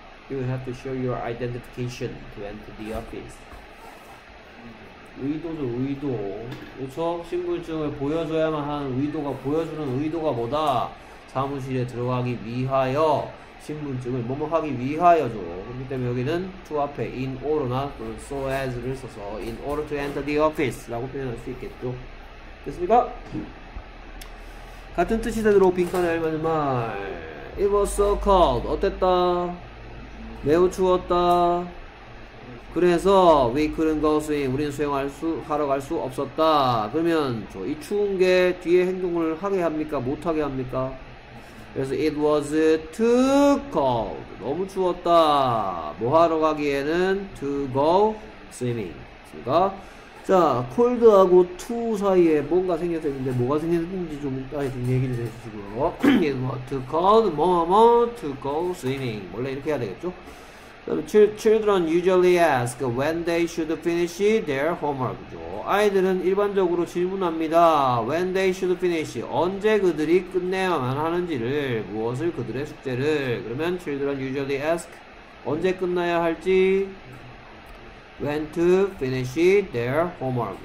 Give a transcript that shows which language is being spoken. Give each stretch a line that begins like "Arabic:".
English: You have to show your identification to enter the office.
Korean: 의도죠, 의도. 그렇죠? 신분증을 보여줘야만 하는 의도가, 보여주는 의도가 뭐다? 사무실에 들어가기 위하여, 신분증을 뭐뭐 하기 위하여죠. 그렇기 때문에 여기는 to 앞에 in order나 또는 so as를 써서
English: in order to enter the office
Korean: 라고 표현할 수 있겠죠. 됐습니까? 같은 뜻이 되도록 빈칸에 알맞은 말.
English: It was so cold.
Korean: 어땠다? 매우 추웠다. 그래서
English: we couldn't go swimming.
Korean: 우리는 수영할 수 하러 갈 수 없었다. 그러면 저 이 추운 게 뒤에 행동을 하게 합니까? 못 하게 합니까? 그래서
English: it was too cold.
Korean: 너무 추웠다. 뭐 하러 가기에는
English: to go swimming.
Korean: 그러니까 자, cold하고 to 사이에 뭔가 생겼는데 뭐가 생겼는지 좀 이따가 좀 얘기를 해주시고요.
English: it was too cold.
Korean: 뭐뭐
English: to go swimming.
Korean: 원래 이렇게 해야 되겠죠?
English: Children usually ask when they should finish their homework.
Korean: 아이들은 일반적으로 질문합니다.
English: When they should finish.
Korean: 언제 그들이 끝내야만 하는지를. 무엇을 그들의 숙제를. 그러면
English: children usually ask
Korean: 언제 끝나야 할지.
English: When to finish their homework.